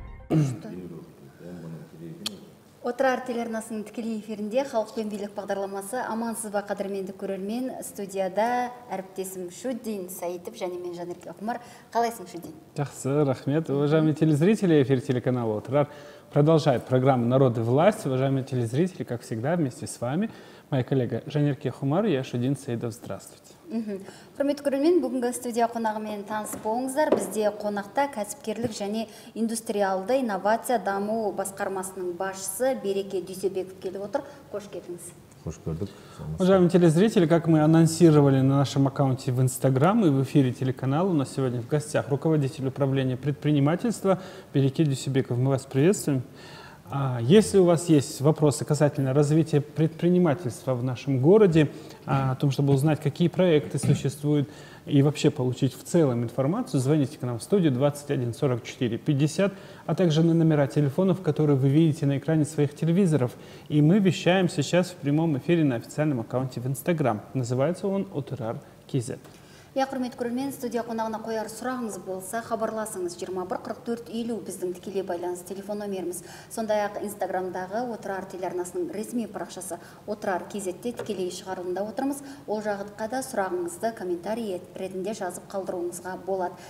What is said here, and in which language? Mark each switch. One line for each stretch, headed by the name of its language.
Kazakh: Отыр телеарнасының тікелей эфирінде халық пен билік бағдарламасы. Амансыз ба, қадірменді көрермен? Студияда әріптесім Шудин Саитов және мен Жанерке Құмар. Қалайсың, Шудин? Жақсы, рахмет.
Russian: Уважаемые телезрители, эфир телеканала «Отырар» продолжает программу «Народ и власть». Уважаемые телезрители, как всегда, вместе с вами моя коллега Жанерке Құмар, я Шудин Саитов. Здравствуйте.
Kazakh: Құрметті көрермен, бүгінгі студия қонағымен таныс болыңыздар. Бізде қонақта кәсіпкерлік және индустриалды инновация даму басқармасының басшысы Береке Дүйсебеков келіп отыр. Қош келдіңіз. Қош көрдік.
Russian: Уважаемые телезрители, как мы анонсировали на нашем аккаунте в Инстаграм и в эфире телеканала, у нас сегодня в гостях руководитель управления предпринимательства Береке Дүйсебеков. Мы вас приветствуем. Если у вас есть вопросы касательно развития предпринимательства в нашем городе, о том, чтобы узнать, какие проекты существуют, и вообще получить в целом информацию, звоните к нам в студию 21-44-50, а также на номера телефонов, которые вы видите на экране своих телевизоров. И мы вещаем сейчас в прямом эфире на официальном аккаунте в Инстаграм. Называется он «Отырар.кз».
Kazakh: Я құрметті көрермен, студия қонағына қояр сұрағыңыз болса, хабарласыңыз 21-44-50 біздің тікелей байланыс телефон номеріміз. Сондай-ақ Инстаграмдағы Отырар телеарнасының ресми парақшасы Отырар кезетте тікелей шығарылымда отырмыз. Ол жағытқа да сұрағыңызды комментарий ретінде жазып қалдыруыңызға болады.